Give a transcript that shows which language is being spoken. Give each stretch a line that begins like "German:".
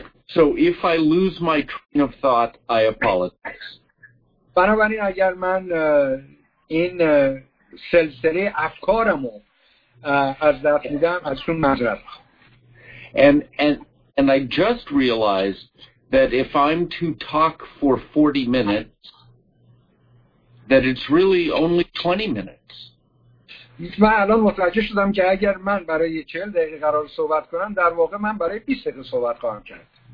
English: So if I lose my train of thought, I apologize.
Persian: بنابراین اگر من این سلسله افکارمو از دست میدم ازشون معذرت میخوام.
English: And I just realized that if I'm to talk for 40 minutes, that it's really only 20 minutes.
Persian: من الان متوجه شدم که اگر من برای 40 دقیقه قرار صحبت کنم در واقع من برای 20 دقیقه صحبت خواهم کرد.